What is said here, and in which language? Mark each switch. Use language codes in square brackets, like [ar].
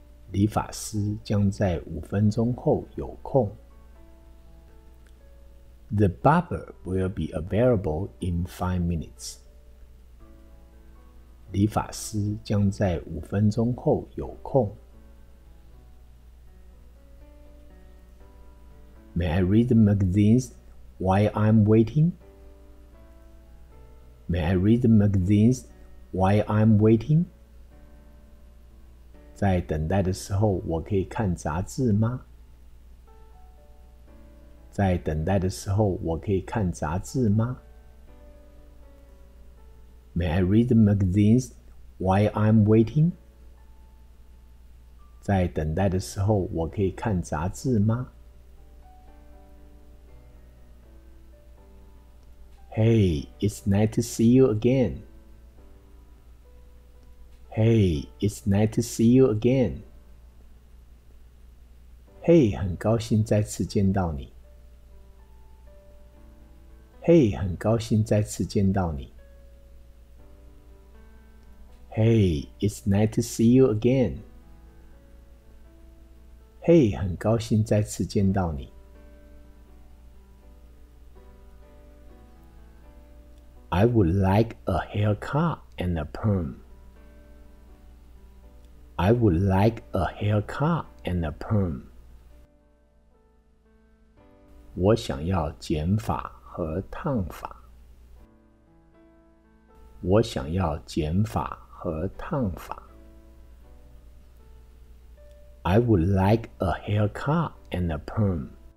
[zh] 理发师将在5分钟后有空。 [en] The barber will be available in 5 minutes. [zh] 理发师将在5分钟后有空。 [en] May I read the magazines while I'm waiting? May I read the magazines while I'm waiting? [zh] 在等待的时候，我可以看杂志吗？在等待的时候，我可以看杂志吗？ [en] May I read the magazines while I'm waiting? [zh] 在等待的时候，我可以看杂志吗？ [en] Hey, it's nice to see you again. Hey, it's nice to see you again. [zh] Hey, 很高兴再次见到你。 Hey, 很高兴再次见到你。 [en] Hey, it's nice to see you again. [zh] Hey, 很高兴再次见到你。 [en] I would like a haircut and a perm. I would like a haircut and a perm. [zh] 我想要剪发。和烫发，我想要剪发和烫发。 [en] I would like a haircut and a perm.